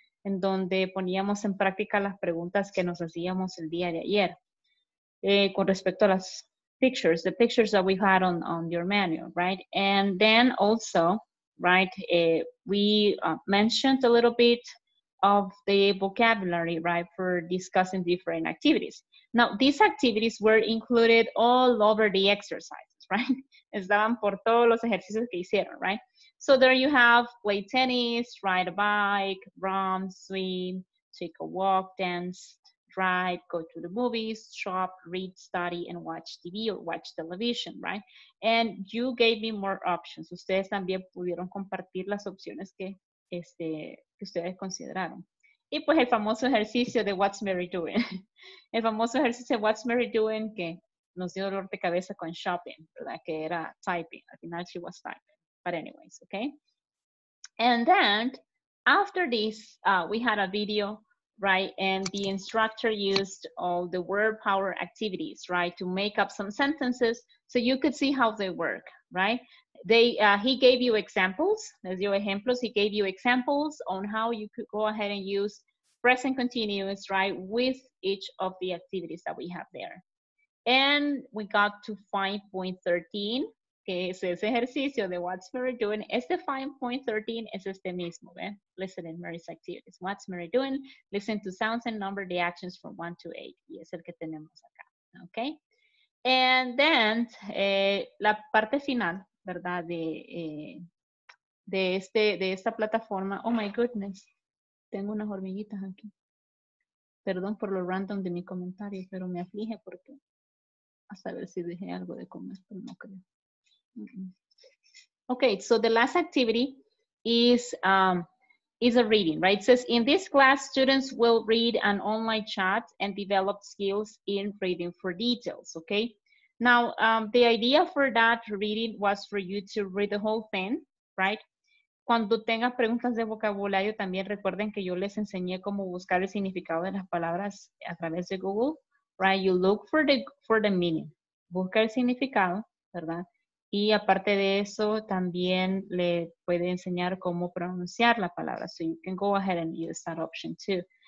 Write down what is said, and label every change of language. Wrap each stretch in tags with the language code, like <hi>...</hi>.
<es>en donde poníamos en práctica las preguntas que nos hacíamos el día de ayer con respecto a las pictures,</es> <en>the pictures that we had on your manual, right? And then also, right, we mentioned a little bit of the vocabulary, right, for discussing different activities. Now, these activities were included all over the exercises, right?</en> <es>Estaban por todos los ejercicios que hicieron, right?</es> <en>So there you have play tennis, ride a bike, run, swim, take a walk, dance, drive, go to the movies, shop, read, study, and watch TV or watch television, right? And you gave me more options.</en> <es>Ustedes también pudieron compartir las opciones que ustedes consideraron. Y pues el famoso ejercicio de What's Mary Doing. El famoso ejercicio de What's Mary Doing que nos dio dolor de cabeza con shopping, ¿verdad? Que era</es> <en>typing.</en> <es>Al final</es> <en>she was typing. But anyways, okay? And then, after this, we had a video, right? And the instructor used all the word power activities, right? To make up some sentences so you could see how they work, right? He gave you examples,</en> <es>les dio ejemplos,</es> <en>he gave you examples on how you could go ahead and use present continuous, right, with each of the activities that we have there. And we got to 5.13,</en> <es>que es ese ejercicio de</es> <en>What's Mary Doing.</en> <es>Este 5.13 es este mismo, ¿ven?</es> <en>Listen in Mary's activities. What's Mary Doing? Listen to sounds and number the actions from 1 to 8.</en> <es>Y es el que tenemos acá, okay?</es> <en>And then,</en> <es>la parte final, ¿verdad? De esta plataforma.</es> <en>Oh my goodness.</en> <es>Tengo unas hormiguitas aquí. Perdón por lo random de mi comentario, pero me aflige porque a saber si dejé algo de comer, pero no creo.</es> <en>Okay, so the last activity is a reading, right? It says, in this class, students will read an online chat and develop skills in reading for details, okay? Now, the idea for that reading was for you to read the whole thing, right?</en> <es>Cuando tengas preguntas de vocabulario, también recuerden que yo les enseñé cómo buscar el significado de las palabras a través de Google, right?</es> <en>You look for the meaning.</en> <es>Busca el significado, ¿verdad? Y aparte de eso, también le puede enseñar cómo pronunciar la palabra.</es> <en>So you can go ahead and use that option too.</en>